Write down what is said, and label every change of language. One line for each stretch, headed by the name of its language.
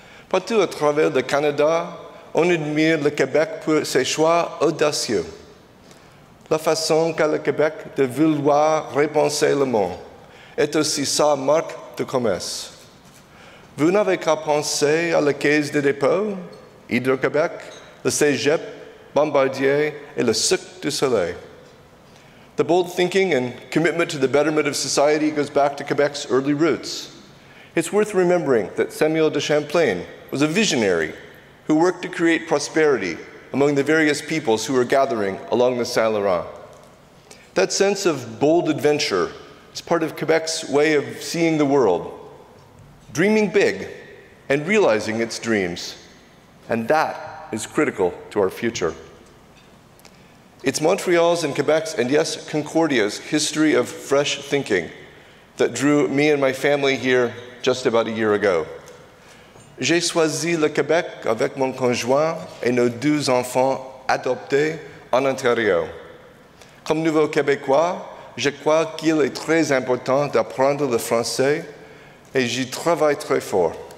French: Partout à travers le Canada, on admire le Québec pour ses choix audacieux, la façon qu'a le Québec de vouloir repenser le monde est aussi sa marque de commerce. Vous n'avez qu'à penser à la Caisse des dépôts, Hydro-Québec, le Cégep, Bombardier et le Cirque du Soleil.
English: The bold thinking and commitment to the betterment of society goes back to Quebec's early roots. It's worth remembering that Samuel de Champlain was a visionary who worked to create prosperity among the various peoples who were gathering along the Saint-Laurent. That sense of bold adventure is part of Quebec's way of seeing the world, dreaming big and realizing its dreams. And that is critical to our future. It's Montreal's and Quebec's, and yes, Concordia's, history of fresh thinking that drew me and my family here just about a year ago.
French: J'ai choisi le Québec avec mon conjoint et nos deux enfants adoptés en Ontario. Comme nouveau Québécois, je crois qu'il est très important d'apprendre le français et j'y travaille très fort.